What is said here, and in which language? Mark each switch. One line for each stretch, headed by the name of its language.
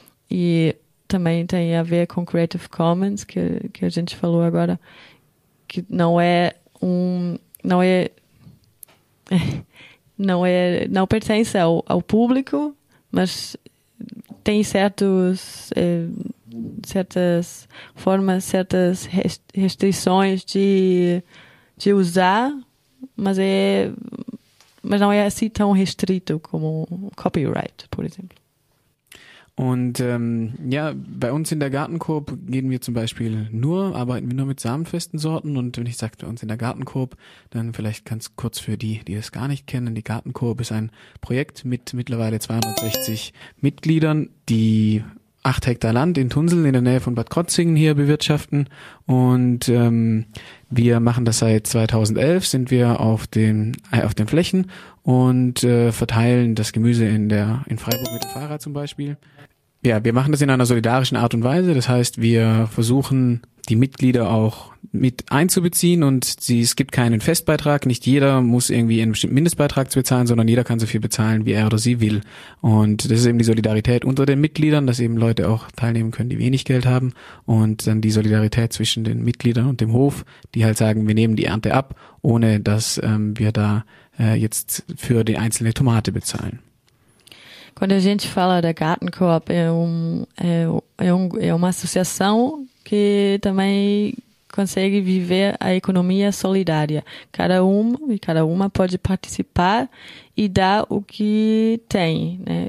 Portuguese: E também tem a ver com Creative Commons, que a gente falou agora, que não pertence ao público, mas tem certas restrições de usar, mas não é assim tão restrito como Copyright, por exemplo.
German: Und bei uns in der Gartenkorb gehen wir zum Beispiel nur, arbeiten wir nur mit samenfesten Sorten. Und wenn ich sage, bei uns in der Gartenkorb, dann vielleicht ganz kurz für die, die es gar nicht kennen. Die Gartenkorb ist ein Projekt mit mittlerweile 260 Mitgliedern, die 8 Hektar Land in Tunsel in der Nähe von Bad Krozingen hier bewirtschaften. Und wir machen das seit 2011, sind wir auf den Flächen und verteilen das Gemüse in Freiburg mit dem Fahrrad zum Beispiel. Ja, wir machen das in einer solidarischen Art und Weise. Das heißt, wir versuchen, die Mitglieder auch mit einzubeziehen und es gibt keinen Festbeitrag. Nicht jeder muss irgendwie einen bestimmten Mindestbeitrag bezahlen, sondern jeder kann so viel bezahlen, wie er oder sie will. Und das ist eben die Solidarität unter den Mitgliedern, dass eben Leute auch teilnehmen können, die wenig Geld haben. Und dann die Solidarität zwischen den Mitgliedern und dem Hof, die halt sagen, wir nehmen die Ernte ab, ohne dass wir da jetzt für die einzelne Tomate bezahlen.
Portuguese: Quando a gente fala da Gartenkorb, é uma associação que também consegue viver a economia solidária. Cada um e cada uma pode participar e dar o que tem, né?